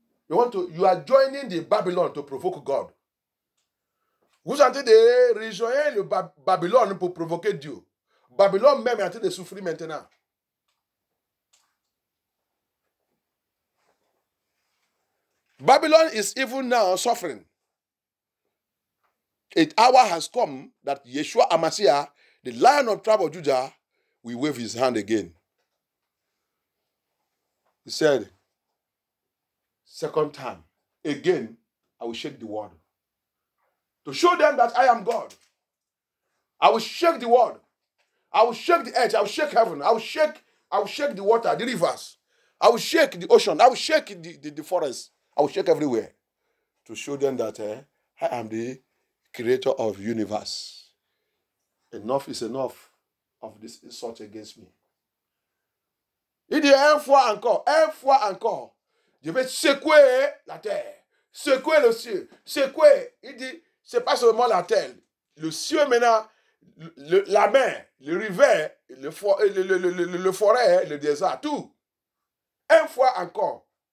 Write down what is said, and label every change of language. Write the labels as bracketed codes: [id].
[en] You are joining the Babylon to provoke God. [fr] Vous êtes en train de rejoindre le Babylon pour provoquer Dieu. Babylon même est en train de souffrir maintenant. [en] Babylon is even now suffering. Its hour has come that Yeshua Amasiah, the Lion of the tribe of Judah, will wave his hand again. He said, second time, again, I will shake the world. To show them that I am God, I will shake the world. I will shake the earth. I will shake heaven. I will shake the water, the rivers. I will shake the ocean. I will shake the forest. I will check everywhere to show them that I am the creator of the universe. Enough is enough of this insult against me. [fr] Il dit une fois encore, je vais secouer la terre, secouer le ciel, secouer. Il dit, c'est pas seulement la terre, le ciel maintenant, la mer, le rivière, le forêt, le désert, tout. Une fois encore.